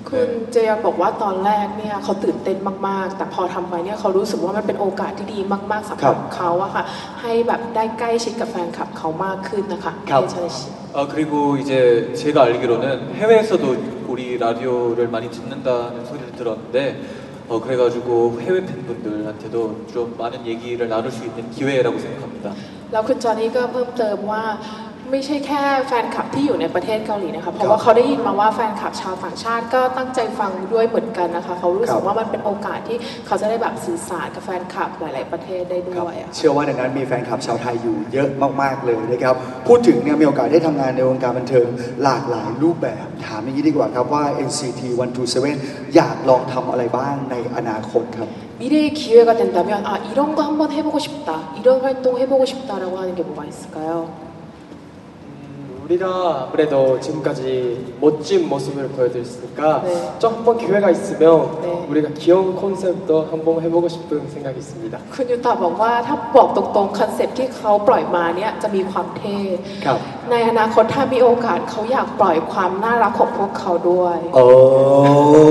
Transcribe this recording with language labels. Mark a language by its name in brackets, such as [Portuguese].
[Thai] คุณเจย์บอกว่าตอนแรกเนี่ยเขาตื่นเต้นมากๆแต่พอทำไปเนี่ยเขารู้สึกว่ามันเป็นโอกาสที่ดีมากๆสำหรับเขาอะค่ะให้แบบได้ใกล้ชิดกับแฟนคลับเขามากขึ้นนะคะ ครับ [Korean] คริโก이제제가알기로는해외에서도우리라디오를많이듣는다는소리를들었는데 그래가지고 해외 팬분들한테도 좀 많은 얘기를 나눌 수 있는 기회라고 생각합니다. [Thai] แล้วคุณจอนี่ก็เพิ่มเติมว่าไม่ใช่แค่แฟนคลับที่อยู่ในประเทศเกาหลีนะคะเพราะว่าเขาได้ยินมาว่าแฟนคลับชาวต่างชาติก็ตั้งใจฟังด้วยเหมือนกันนะคะเขารู้สึกว่ามันเป็นโอกาสที่เขาจะได้แบบสื่อสารกับแฟนคลับหลายๆประเทศได้ด้วยเชื่อว่าในนั้นมีแฟนคลับชาวไทยอยู่เยอะมากๆเลยนะครับพูดถึงเนี่ยมีโอกาสได้ทำงานในวงการบันเทิงหลากหลายรูปแบบถามอย่างนี้ดีกว่าครับว่า NCT 127อยากลองทำอะไรบ้างใน [Korean] 미래의 기회가 된다면 아 이런 거 한번 해보고 싶다 이런 활동 해보고 싶다라고 하는 게 뭐가 있을까요? 우리가 아무래도 지금까지 멋진 모습을 보여드렸으니까 네. 좀 한번 기회가 있으면 네. 우리가 귀여운 콘셉트도 한번 해보고 싶은 생각이 있습니다. [Thai] 그녀타봉와탑보똥똥 콘셉트 เขาปล่อยมาเนี่ยจะมีความเท่ในอนาคตถ้ามีโอกาสเขาอยากปล่อยความน่ารักของพวกเขาด้วย